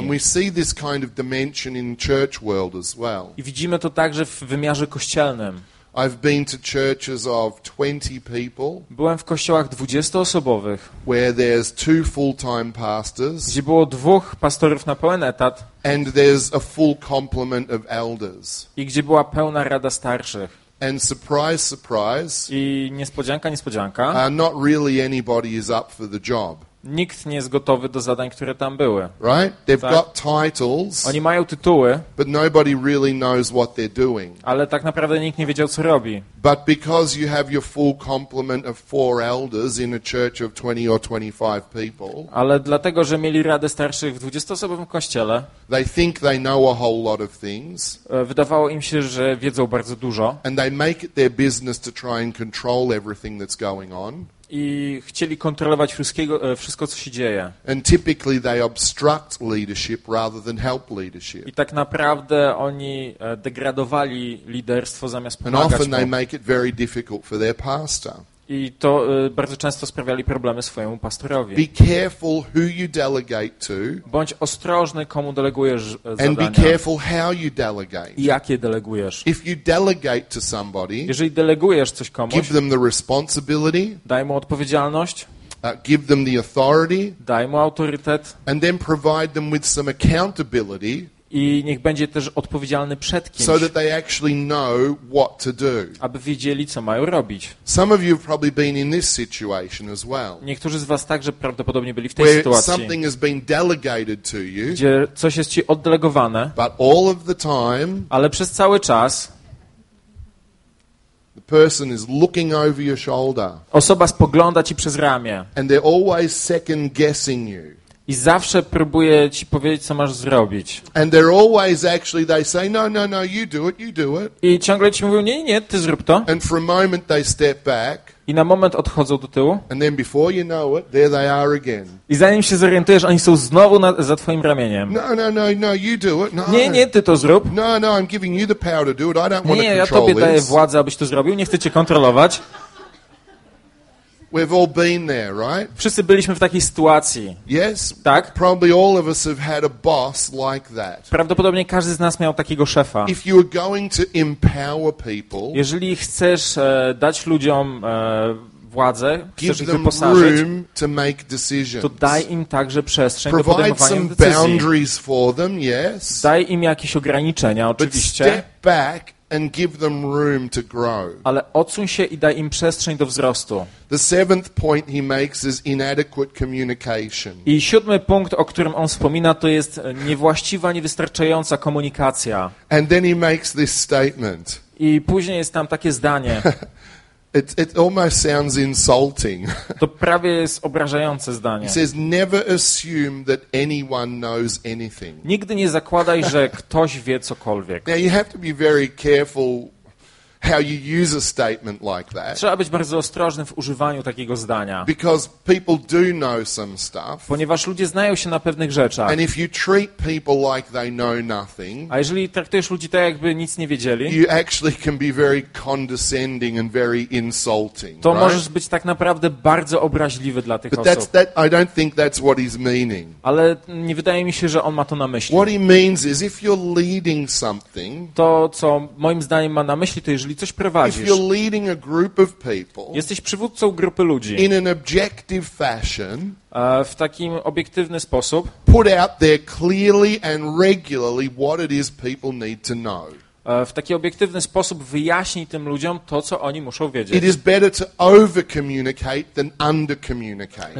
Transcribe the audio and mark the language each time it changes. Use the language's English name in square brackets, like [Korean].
[English] And we see this kind of dimension in church world as well. [Polish] I widzimy to także w wymiarze kościelnym. [English] I've been to churches of 20 people. [Polish] Byłem w kościołach 20-osobowych, [English] where there's two full-time pastors, [Polish] gdzie było dwóch pastorów na pełen etat, [English] and there's a full complement of elders. [Polish] I gdzie była pełna rada starszych. [English] And surprise, surprise. [Polish] I niespodzianka, niespodzianka. [English] Not really anybody is up for the job. [Polish] Nikt nie jest gotowy do zadań, które tam były. [English] Right? They've got titles. [Polish] Oni mają tytuły. [English] But nobody really knows what they're doing. [Polish] Ale tak naprawdę nikt nie wiedział, co robi. [English] But because you have your full complement of four elders in a church of 20 or 25 people. [Polish] Ale dlatego, że mieli radę starszych w 20-osobowym kościele. [English] They think they know a whole lot of things. [Polish] Wydawało im się, że wiedzą bardzo dużo. [English] And they make it their business to try and control everything that's going on. [Polish] I chcieli kontrolować wszystko, co się dzieje. [English] And typically they obstruct leadership rather than help leadership. [Polish] I tak naprawdę oni degradowali liderstwo zamiast pomagać. [English] And often they make it very difficult for their pastor. [Polish] I to bardzo często sprawiali problemy swojemu pastorowi. [English] Be careful who you delegate to. [Polish] Bądź ostrożny, komu delegujesz zadania. [English] And be careful how you delegate. [Polish] I jak je delegujesz. [English] If you delegate to somebody, [Polish] jeżeli delegujesz coś komuś, [English] give them the responsibility, [Polish] daj mu odpowiedzialność, [English] give them the authority, [Polish] daj mu autorytet, [English] and then provide them with some accountability, [Polish] i niech będzie też odpowiedzialny przed kimś, [English] so that they actually know what to do, [Polish] aby wiedzieli, co mają robić. [English] Some of you have probably been in this situation as well. [Polish] Niektórzy z was także prawdopodobnie byli w tej [English] where [Polish] sytuacji, [English] something has been delegated to you, [Polish] gdzie coś jest ci oddelegowane, [English] but all of the time, [Polish] ale przez cały czas [English] the person is looking over your shoulder, [Polish] osoba spogląda ci przez ramię, [English] and they're always second guessing you. [Polish] I zawsze próbuje ci powiedzieć, co masz zrobić. [English] And they're always actually they say no no no you do it, you do it. [Polish] I ciągle ci mówią nie, nie, ty zrób to. [English] And for a moment they step back. [Polish] I na moment odchodzą do tyłu. [English] And then before you know it, there they are again. [Polish] I zanim się zorientujesz, oni są znowu za twoim ramieniem. [English] No no no no you do it. No. [Polish] Nie, nie, ty to zrób. [English] No no, I'm giving you the power to do it. I don't want to control. [Polish] Nie, ja tobie daję władzę, abyś to zrobił. Nie chcę cię kontrolować. [English] We've all been there, right? [Polish] Wszyscy byliśmy w takiej sytuacji. [English] Yes. [Polish] Tak? [English] Probably all of us have had a boss like that. [Polish] Prawdopodobnie każdy z nas miał takiego szefa. [English] If you are going to empower people, [Polish] jeżeli chcesz dać ludziom władzę, [English] give [Polish] chcesz [English] them [Polish] ich wyposażyć, [English] room to make decisions. [Polish] To daj im także przestrzeń [English] provide [Polish] do podejmowania decyzji. [English] Provide some boundaries for them, yes. [Polish] Daj im jakieś ograniczenia, oczywiście. [English] But step back and give them room to grow. [Polish] Ale odsuń się i daj im przestrzeń do wzrostu. [English] The seventh point he makes is inadequate communication. [Polish] I siódmy punkt, o którym on wspomina, to jest niewłaściwa, niewystarczająca komunikacja. [English] And then he makes this statement. [Polish] I później jest tam takie zdanie. [English] It almost sounds insulting. [Polish] To prawie jest obrażające zdanie. [English] He says, never assume that anyone knows anything. [Polish] Nigdy nie zakładaj, że ktoś wie cokolwiek. [English] Now you have to be very careful how you use a statement like that. [Polish] Trzeba być bardzo ostrożnym w używaniu takiego zdania. [English] Because people do know some stuff. [Polish] Ponieważ ludzie znają się na pewnych rzeczach. [English] And if you treat people like they know nothing, [Polish] a jeżeli traktujesz ludzi tak, jakby nic nie wiedzieli, [English] you actually can be very condescending and very insulting. [Polish] To [English] right? [Polish] Możesz być tak naprawdę bardzo obraźliwy dla tych [English] but [Polish] osób. [English] I don't think that's what he's meaning. [Polish] Ale nie wydaje mi się, że on ma to na myśli. [English] What he means is if you're leading something, [Polish] to co moim zdaniem ma na myśli, to jeżeli jeżeli coś prowadzisz, [English] if you're leading a group of people, [Polish] jesteś przywódcą grupy ludzi, [English] in an objective fashion, [Polish] w takim obiektywny sposób, [English] put out there clearly and regularly what it is people need to know. [Polish] W taki obiektywny sposób wyjaśnij tym ludziom to, co oni muszą wiedzieć. [English] It is better to over-communicate than under-communicate.